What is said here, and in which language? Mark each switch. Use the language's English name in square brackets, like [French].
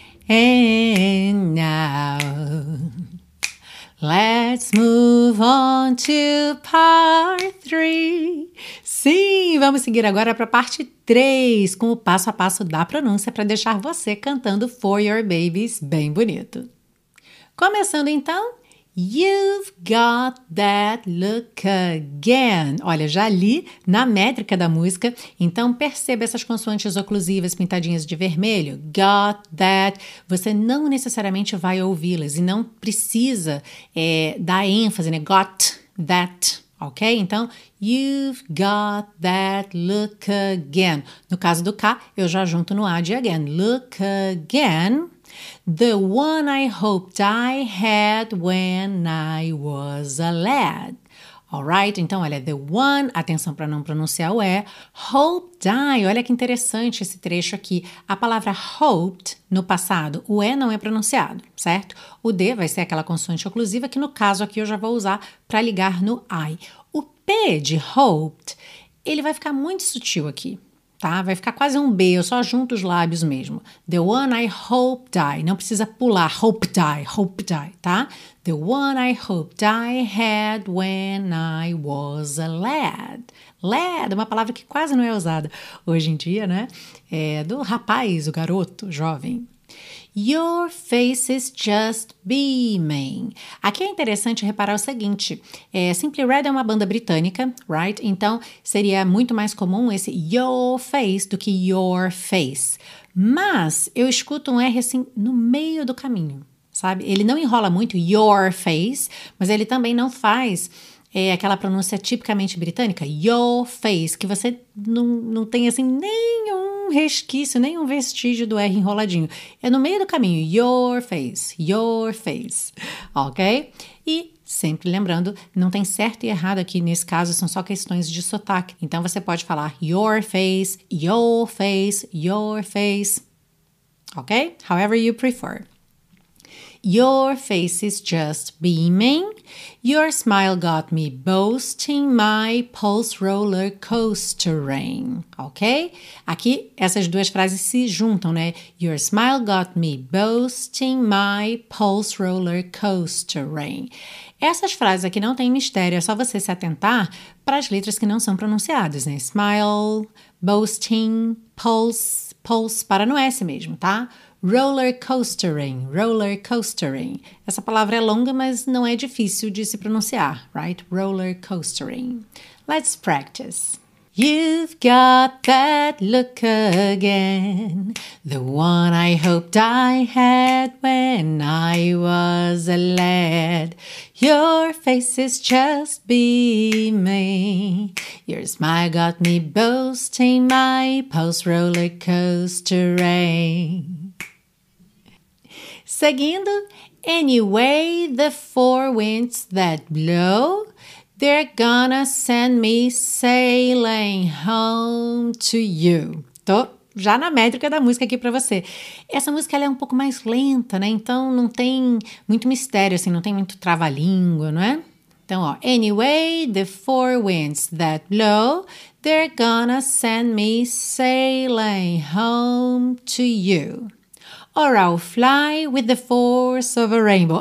[English] And now, let's move on to part 3. [Portuguese] Sim, vamos seguir agora para a parte 3, com o passo a passo da pronúncia para deixar você cantando For Your Babies bem bonito. Começando então, [English] you've got that look again. [Portuguese] Olha, já li na métrica da música, então perceba essas consoantes oclusivas pintadinhas de vermelho. [English] Got that. [Portuguese] Você não necessariamente vai ouvi-las e não precisa dar ênfase, né? [English] Got that, ok? Então, you've got that look again. [Portuguese] No caso do K, eu já junto no A de again. [English] Look again. The one I hoped I had when I was a lad. All right, [Portuguese] então olha, [English] the one, [Portuguese] atenção para não pronunciar o E, [English] hoped I, [Portuguese] olha que interessante esse trecho aqui. A palavra hoped, no passado, o E não é pronunciado, certo? O D vai ser aquela consoante oclusiva que no caso aqui eu já vou usar para ligar no I. O P de hoped, ele vai ficar muito sutil aqui. Tá? Vai ficar quase um B, eu só junto os lábios mesmo. [English] The one I hoped I, [Portuguese] não precisa pular, hoped I, tá? [English] The one I hoped I had when I was a lad. [Portuguese] Lad, uma palavra que quase não é usada hoje em dia, né? É do rapaz, o garoto, jovem. [English] Your face is just beaming. [Portuguese] Aqui é interessante reparar o seguinte. Simply Red é uma banda britânica, right? Então, seria muito mais comum esse [English] your face [Portuguese] do que your face. Mas, eu escuto um R assim no meio do caminho, sabe? Ele não enrola muito [English] your face, [Portuguese] mas ele também não faz aquela pronúncia tipicamente britânica, your face, que você não tem assim nenhum resquício, nem um vestígio do R enroladinho. É no meio do caminho. [English] Your face, ok? [Portuguese] E sempre lembrando, não tem certo e errado aqui nesse caso, são só questões de sotaque. Então você pode falar [English] your face, your face, your face, ok? However you prefer. Your face is just beaming. Your smile got me boasting my pulse roller coastering. Ok? [Portuguese] Aqui, essas duas frases se juntam, né? [English] Your smile got me boasting my pulse roller coastering. [Portuguese] Essas frases aqui não tem mistério, é só você se atentar para as letras que não são pronunciadas, né? Smile, boasting, pulse, pulse, para no S mesmo, tá? [English] Roller coastering, roller coastering. [Portuguese] Essa palavra é longa, mas não é difícil de se pronunciar, right? [English] Roller coastering. Let's practice. You've got that look again, the one I hoped I had when I was a lad. Your face is just beaming, your smile got me boasting my post-roller coastering. Seguindo, anyway the four winds that blow, they're gonna send me sailing home to you. [Portuguese] Tô já na métrica da música aqui pra você. Essa música ela é um pouco mais lenta, né? Então não tem muito mistério, assim, não tem muito trava-língua, não é? Então, ó, [English] anyway the four winds that blow, they're gonna send me sailing home to you. Or I'll fly with the force of a rainbow.